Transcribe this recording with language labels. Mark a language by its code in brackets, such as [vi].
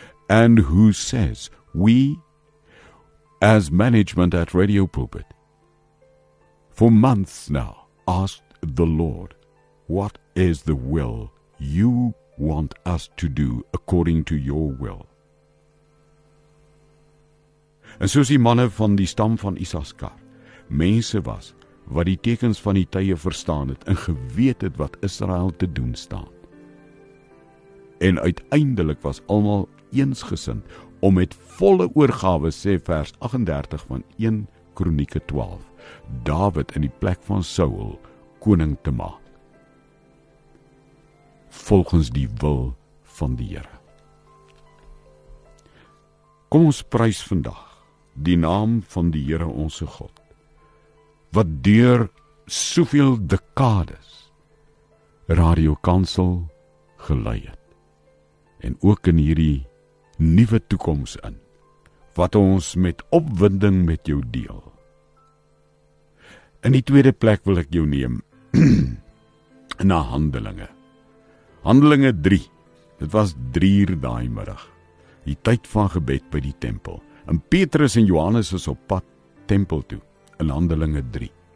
[en] And who says, we, as management at Radio Pulpit, for months now, asked the Lord, what is the will you want us to do according to your will? [af] En soos die manne van die stam van Isaskar, mense was, wat die tekens van die tye verstaan het, en geweet het wat Israel te doen staan. En uiteindelik was almal eensgesind om met volle oorgawe, sê vers 38 van 1 Kronieke 12, Dawid in die plek van Saul koning te maak, volgens die wil van die Here. Kom ons prys vandag die naam van die Here onse God, wat deur soveel dekades Radio Kansel gelei het. En ook in hierdie nuwe toekoms in, wat ons met opwinding met jou deel. In die tweede plek wil ek jou neem, na Handelinge. Handelinge 3, dit was 3 uur daai middag, die tyd van gebed by die tempel. En Petrus en Johannes is op pad tempel toe, in Handelinge 3.